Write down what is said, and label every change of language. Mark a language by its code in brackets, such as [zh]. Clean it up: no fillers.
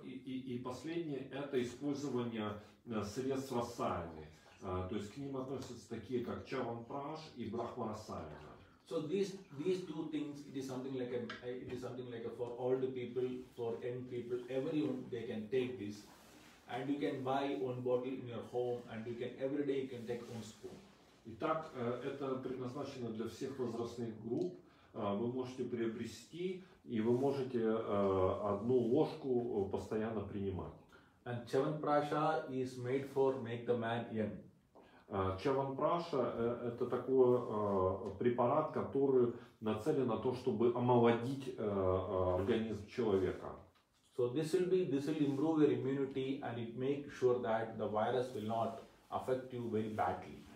[ru] И последнее это использование средств рассаяны. То есть к ним относятся такие как чаван праш и брахма рассаяна. [en] So these two things, it is something like a for old people, for young people, everyone they can take this, and you can buy one bottle in your home, and you can every day you can take one spoon. [ru] Итак, это предназначено для всех возрастных групп. Вы можете приобрести и вы можете одну ложку постоянно принимать. [en] And chyavanprasha is made for make the man young. [ru] Чаванпраша – это такой препарат, который нацелен на то, чтобы омолодить организм человека. [en] So this will improve your immunity and it make sure that the virus will not affect you very badly.